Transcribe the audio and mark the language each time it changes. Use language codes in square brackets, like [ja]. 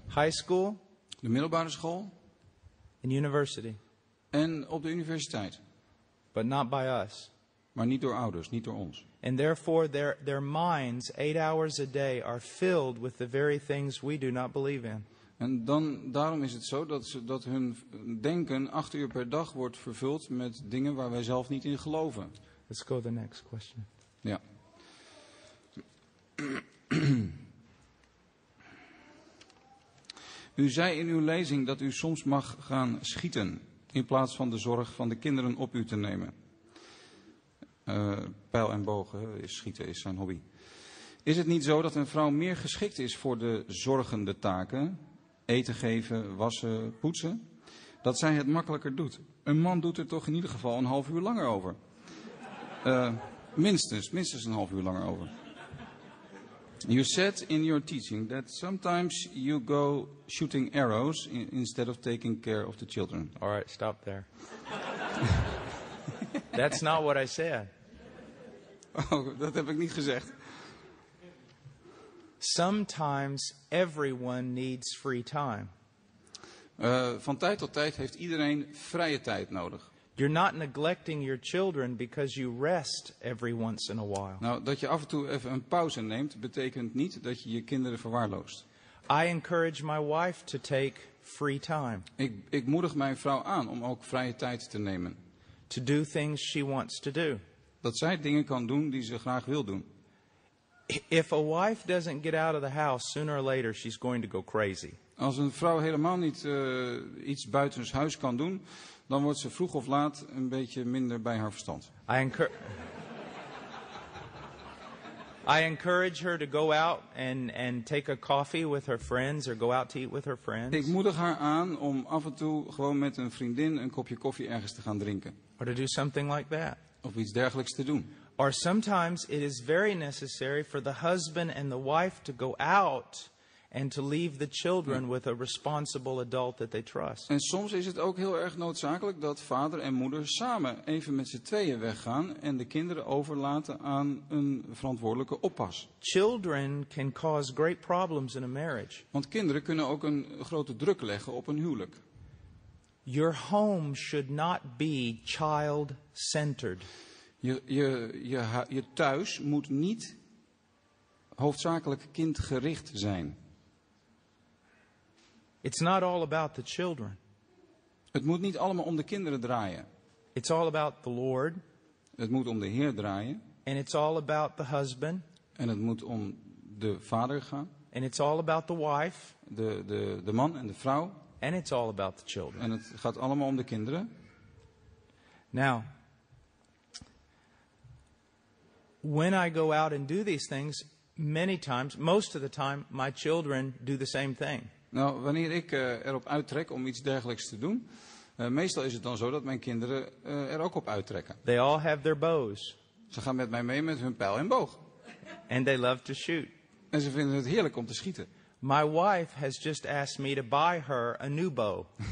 [en] High school. [nl] De middelbare school. [en] And university. [nl] En op de universiteit. [en] But not by us. [nl] Maar niet door ouders, niet door ons. [en] And therefore their minds 8 hours a day are filled with the very things we do not believe in. [nl] En dan daarom is het zo dat hun denken 8 uur per dag wordt vervuld met dingen waar wij zelf niet in geloven. [en] Let's go to the next question. [nl] Ja. U zei in uw lezing dat u soms mag gaan schieten in plaats van de zorg van de kinderen op u te nemen. Pijl en bogen, schieten is zijn hobby. Is het niet zo dat een vrouw meer geschikt is voor de zorgende taken, eten geven, wassen, poetsen, dat zij het makkelijker doet? Een man doet er toch in ieder geval een half uur langer over. Minstens een half uur langer over. [en] You said in your teaching that sometimes you go shooting arrows instead of taking care of the children. All right, stop there. That's not what I said. [nl] Oh, dat heb ik niet gezegd. [en] Sometimes everyone needs free time. [nl] Van tijd tot tijd heeft iedereen vrije tijd nodig. [en] You're not neglecting your children because you rest every once in a while. [nl] Nou, dat je af en toe even een pauze neemt, betekent niet dat je je kinderen verwaarloost. [en] I encourage my wife to take free time. [nl] Ik moedig mijn vrouw aan om ook vrije tijd te nemen. [en] To do things she wants to do. [nl] Dat zij dingen kan doen die ze graag wil doen. [en] If a wife doesn't get out of the house sooner or later, she's going to go crazy. [nl] Als een vrouw helemaal niet iets buitenshuis kan doen, dan wordt ze vroeg of laat een beetje minder bij haar verstand. [en] I encourage her to go out and take a coffee with her friends or go out to eat with her friends. [nl] Ik moedig haar aan om af en toe gewoon met een vriendin een kopje koffie ergens te gaan drinken. [en] Or to do something like that. [nl] Of iets dergelijks te doen. [en] Or sometimes it is very necessary for the husband and the wife to go out and to leave the children with a responsible adult that they trust. [nl] En soms is het ook heel erg noodzakelijk dat vader en moeder samen even met z'n tweeën weggaan en de kinderen overlaten aan een verantwoordelijke oppas. [en] Children can cause great problems in a marriage. [nl] Want kinderen kunnen ook een grote druk leggen op een huwelijk. [en] Your home should not be child-centered. [nl] Je thuis moet niet hoofdzakelijk kindgericht zijn. [en] It's not all about the children. [nl] Het moet niet allemaal om de kinderen draaien. [en] It's all about the Lord. [nl] Het moet om de Heer draaien. [en] And it's all about the husband. [nl] En het moet om de vader gaan. [en] And it's all about the wife. [nl] De man en de vrouw. [en] And it's all about the children. [nl] En het gaat allemaal om de kinderen. [en] Now, when I go out and do these things, many times, most of the time, my children do the same thing. [nl] Nou, wanneer ik erop uittrek om iets dergelijks te doen, meestal is het dan zo dat mijn kinderen er ook op uittrekken. [en] They all have their bows. [nl] Ze gaan met mij mee met hun pijl en boog. [en] And they love to shoot. [nl] En ze vinden het heerlijk om te schieten. [en] My wife has just asked me to buy her a new bow.